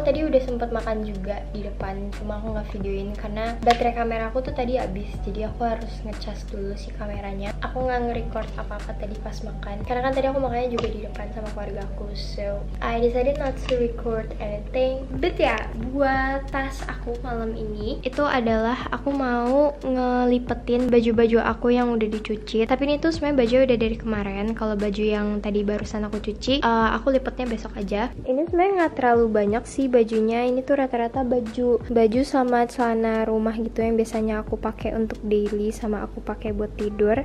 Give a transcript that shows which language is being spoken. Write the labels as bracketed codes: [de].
[id] Udah sempet makan juga di depan, cuma aku gak videoin karena baterai kamera aku tuh tadi habis, jadi aku harus ngecas dulu si kameranya. Aku gak nge-record apa-apa tadi pas makan, karena kan tadi aku makannya juga di depan sama keluarga aku. [en] So I decided not to record anything. [id] But ya, yeah, buat tas aku malam ini itu adalah aku mau ngelipetin baju-baju aku yang udah dicuci. Tapi ini tuh sebenarnya baju udah dari kemarin. Kalau baju yang tadi barusan aku cuci, aku lipetnya besok aja. Ini sebenarnya gak terlalu banyak sih bajunya. Ini tuh rata-rata baju sama celana rumah gitu yang biasanya aku pakai untuk daily sama aku pakai buat tidur.